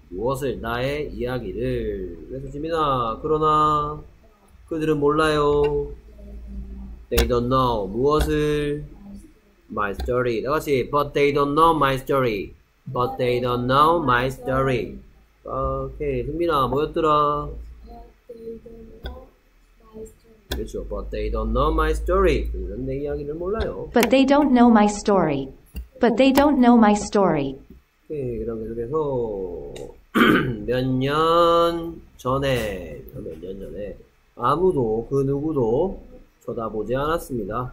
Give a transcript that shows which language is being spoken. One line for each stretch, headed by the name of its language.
Korean: 무엇을 나의 이야기를. 그래서 지민아 그러나 그들은 몰라요.
English: They don't know
Korean: 무엇을
English: my story.
Korean: 다 같이
English: but they don't know my story. But they don't know my story.
Korean: 오케이 승민아 뭐였더라?
English: But they don't know my story.
Korean: 그들은 내 이야기를 몰라요.
English: But they don't know my story. But they don't know my story.
Korean: 네, 그럼 계속해서 몇 년 전에 몇 년 전에 아무도 그 누구도 쳐다보지 않았습니다.